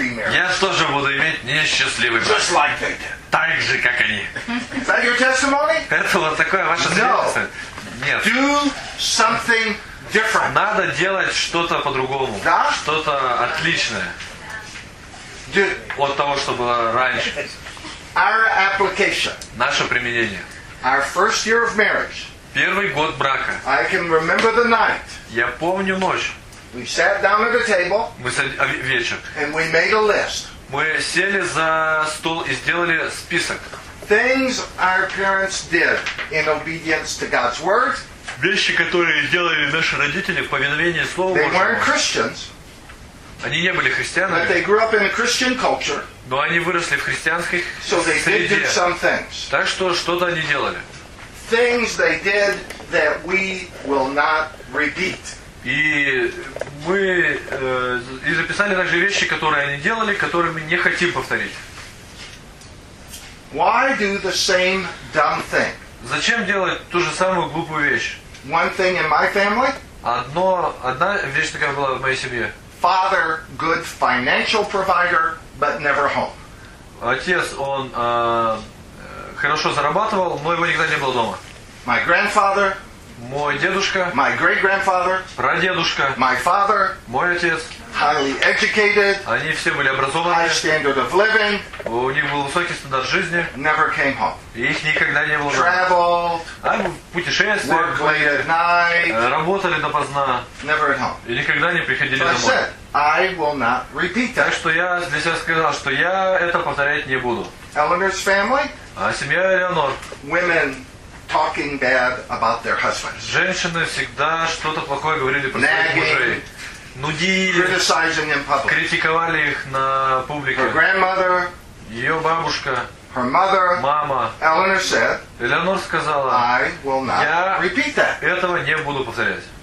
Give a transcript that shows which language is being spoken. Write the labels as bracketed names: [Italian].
[Russian] Я тоже буду иметь несчастливый брак. Так же, как они. [English] Is that your testimony? [Russian] Это вот такое ваше свидетельство? Нет. [English] Do something different. [Russian] Надо делать что-то по-другому. Да? Что-то отличное. [English] Do... [Russian] от того, что было раньше. [English] Our application. [Russian] Наше применение. [English] Our first year of marriage. [Russian] Первый год брака. [English] I can remember the night. [Russian] Я помню ночь. [English] We sat down at a table. [Russian] Мы сели вечер. [English] And we made a list. [Russian] Мы сели за стол и сделали список. [English] Things our parents did in obedience to God's word. [Russian] Вещи, которые делали наши родители в повиновении Слову Божьему. [English] They weren't Christians. [Russian] Они не были христианами. [English] But they grew up in a Christian culture. [Russian] Но они выросли в христианской среде. [English] So they did some things. [Russian] Так что что-то они делали. [English] Things they did that we will not repeat. [Russian] И мы и записали также вещи, которые они делали, которые мы не хотим повторить. [English] Why do the same dumb thing? [Russian] Зачем делать ту же самую глупую вещь? [English] One thing in my family? [Russian] Одна вещь такая была в моей семье. [English] Father, good financial provider, but never home. [Russian] Отец, он хорошо зарабатывал, но его никогда не было дома. [English] My grandfather. [Russian] Мой дедушка, [English] my great-grandfather, [Russian] прадедушка, [English] my father, [Russian] мой отец, [English] highly educated, [Russian] они все были образованы, [English] high standard of living, [Russian] у них был высокий стандарт жизни, [English] never came home, [Russian] и их никогда не было. [English] Traveled, [Russian] они путешествовали, работали допоздна, [English] never at home. [Russian] И никогда не приходили [English] so [Russian] домой. [English] I said, I will not repeat that. [Russian] Так что я для себя сказал, что я это повторять не буду. [English] Eleanor's family? [Russian] А семья Элеонор? [English] Women. Talking bad about their husbands. [Russian] Женщины всегда что-то плохое говорили про своих мужей. Нудили. [English] Criticizing in public. [Russian] Критиковали их на публике. [English] Her grandmother. [Russian] Ее бабушка. [English] Her mother. [Russian] Мама. [English] Eleanor said. [Russian] Элеонор сказала. [English] I will not repeat that. [Russian] Я этого не буду повторять.